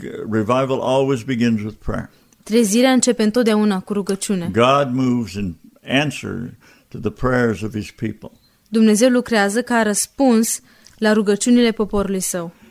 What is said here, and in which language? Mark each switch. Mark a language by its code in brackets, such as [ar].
[en] Revival always begins with prayer. [ro] Trezirea începe întotdeauna cu rugăciune. [en] God moves in answer to the prayers of his people. [ro] Dumnezeu lucrează ca răspuns la rugăciunile poporului său.